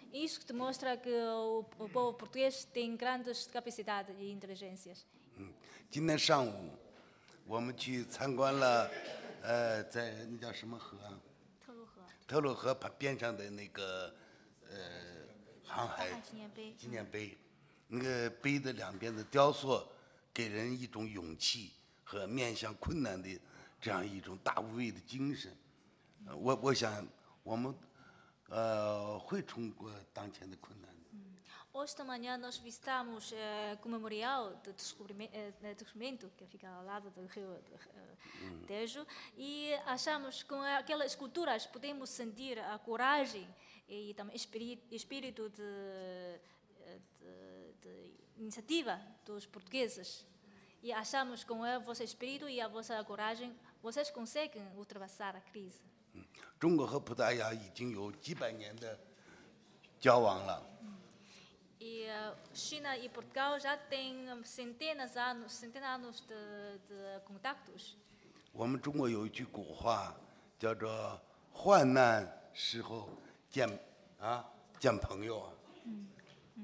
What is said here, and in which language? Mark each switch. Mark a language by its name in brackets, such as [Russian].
[Portuguese] Isso que demonstra que o povo português tem grandes capacidades e inteligências. Hoje, na manhã, nós visitamos o rio Tagu. [Chinese] 特鲁河边上的那个航海纪念碑，那个碑的两边的雕塑给人一种勇气和面向困难的这样一种大无畏的精神。我想我们会冲过当前的困难的。 [Portuguese] Hoje de manhã nós visitamos o memorial do descobrimento que fica ao lado do rio Tejo e achamos que com aquelas esculturas podemos sentir a coragem e também espírito de iniciativa dos portugueses. E achamos que com o vosso espírito e a vossa coragem vocês conseguem ultrapassar a crise. China e Portugal já têm há centenas de anos. E China e Portugal já têm centenas de anos de contactos. [Chinese] 我们中国有一句古话，叫做“患难时候见朋友”。